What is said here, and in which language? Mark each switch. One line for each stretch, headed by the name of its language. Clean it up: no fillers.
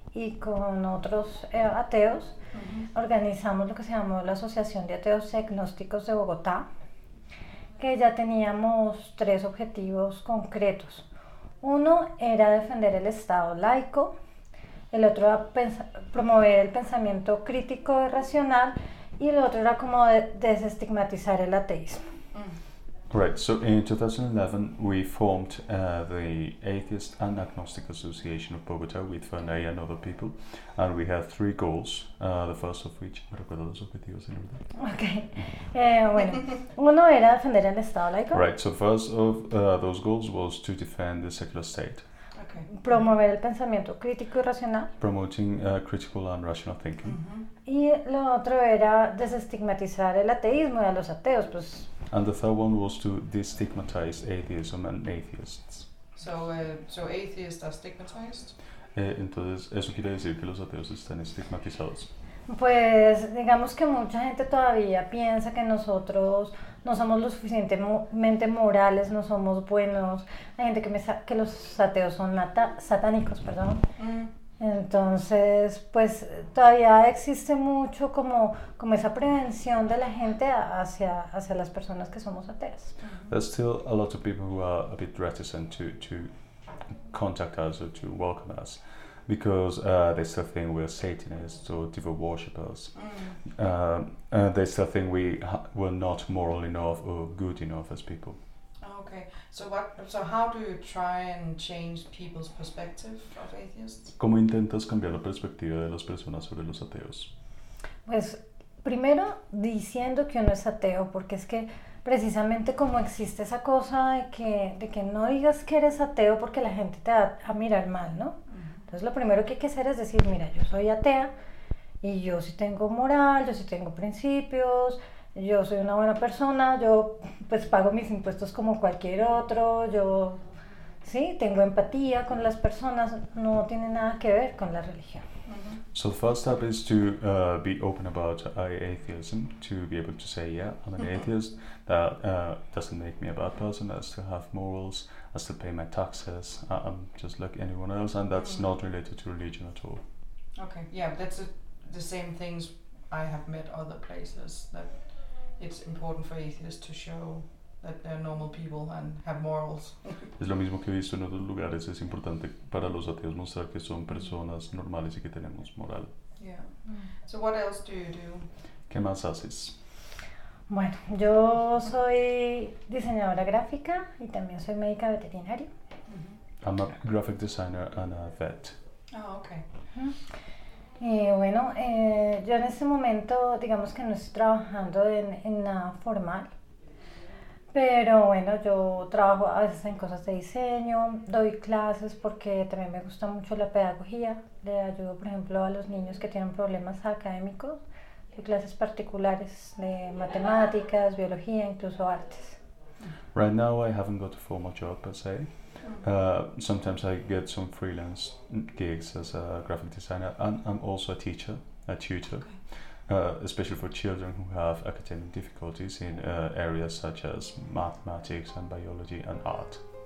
Spanish: y con otros ateos, uh-huh, organizamos lo que se llamó la Asociación de Ateos Agnósticos de Bogotá, que ya teníamos tres objetivos concretos. Uno era defender el Estado laico, el otro era promover el pensamiento crítico y racional, y el otro era como desestigmatizar el ateísmo.
English: Right, so in 2011 we formed the Atheist and Agnostic Association of Bogota with Ferney and other people, and we had three goals, the first of which,
Spanish: ¿me recuerdas los objetivos en verdad? Okay, bueno, uno era defender el Estado laico.
English: Right, so first of those goals was to defend the secular state.
Spanish: Okay. Promover el pensamiento crítico y racional.
English: Promoting critical and rational thinking. Uh-huh.
Spanish: Y lo otro era desestigmatizar el ateísmo y a los ateos, pues.
English: And the third one was to destigmatize atheism and atheists. So atheists are stigmatized?
Spanish: Entonces, ¿eso quiere decir que los ateos están estigmatizados? Pues, digamos que mucha gente todavía piensa que nosotros no somos lo suficientemente morales, no somos buenos. Hay gente que piensa que los ateos son satánicos, perdón. Entonces, pues, todavía existe mucho como esa prevención de la gente hacia las personas que somos ateas.
English: There's still a lot of people who are a bit reticent to contact us or to welcome us, because they still think we're Satanists or devil worshippers. They still think we're not moral enough or good enough as people. Okay, so how do you try and change people's perspective of atheists?
Spanish: ¿Cómo intentas cambiar la perspectiva de las personas sobre los ateos? Pues, primero, diciendo que uno es ateo, porque es que precisamente como existe esa cosa de que no digas que eres ateo porque la gente te va a mirar mal, ¿no? Uh-huh. Entonces, lo primero que hay que hacer es decir, mira, yo soy atea y yo sí tengo moral, yo sí tengo principios, yo soy una buena persona, yo pues pago mis impuestos como cualquier otro, yo sí tengo empatía con las personas, no tiene nada que ver con la religión.
English: So the first step is to be open about atheism, to be able to say, yeah, I'm an atheist, that doesn't make me a bad person, I still have morals, I still pay my taxes, I'm just like anyone else, and that's not related to religion at all. Okay, yeah, that's the same things I have met other places, that it's important for atheists to show that they're normal people and have morals.
Spanish: Es lo mismo que he visto en otros lugares. Es importante para los ateos mostrar que son personas normales y que tenemos moral.
English: Yeah. So what else do you do?
Spanish: ¿Qué más haces? Bueno, yo soy diseñadora gráfica y también soy médica veterinaria.
English: Mm-hmm. I'm a graphic designer and a vet. Oh, okay. Mm-hmm.
Spanish: Y bueno, yo en este momento, digamos que no estoy trabajando en nada formal, pero bueno, yo trabajo a veces en cosas de diseño, doy clases porque también me gusta mucho la pedagogía, le ayudo por ejemplo a los niños que tienen problemas académicos, doy clases particulares de matemáticas, biología, incluso artes.
English: Right now I haven't got a formal job per se. Sometimes I get some freelance gigs as a graphic designer, and I'm also a teacher, a tutor, especially for children who have academic difficulties in areas such as mathematics and biology and art.